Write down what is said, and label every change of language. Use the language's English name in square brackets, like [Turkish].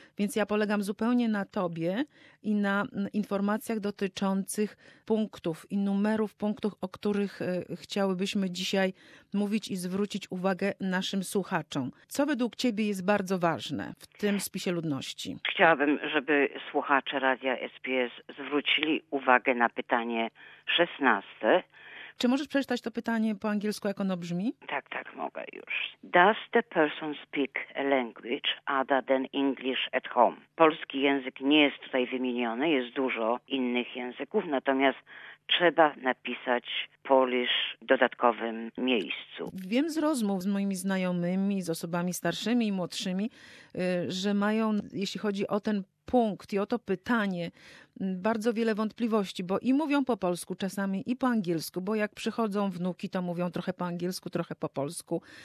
[Polish] Więc ja polegam zupełnie na Tobie i na informacjach dotyczących punktów i numerów punktów, o których chciałybyśmy dzisiaj mówić i zwrócić uwagę naszym słuchaczom. Co według Ciebie jest bardzo ważne w tym spisie ludności? Chciałabym, żeby słuchacze Radia SBS zwrócili uwagę na pytanie 16. Czy możesz przeczytać to pytanie po angielsku, jak ono brzmi? Tak, tak, mogę już. [English] Does the person speak a language other than English at home? [Polish] Polski język nie jest tutaj wymieniony, jest dużo innych języków, natomiast trzeba napisać Polish w dodatkowym miejscu. Wiem z rozmów z moimi znajomymi, z osobami starszymi i młodszymi, że mają, jeśli chodzi o ten punkt i o to pytanie, bardzo wiele wątpliwości, bo i mówią po polsku czasami i po angielsku, bo jak przychodzą wnuki, to mówią trochę po angielsku, trochę po polsku.